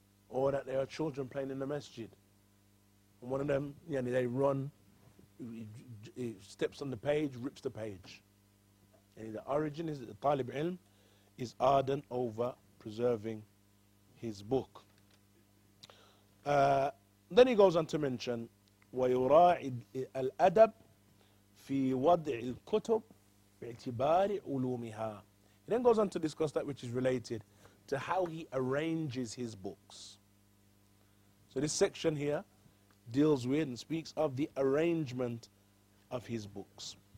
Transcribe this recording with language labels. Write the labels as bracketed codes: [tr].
[en] Or that there are children playing in the masjid, and one of them, they run, he steps on the page, rips the page. And the origin is that the talib ilm is ardent over preserving his book. Then he goes on to mention, [ar] وَيُرَاعِ الْأَدَبِ في وضع الكتب باعتبار علومها. [en] He then goes on to discuss that which is related to how he arranges his books. So this section here deals with and speaks of the arrangement of his books.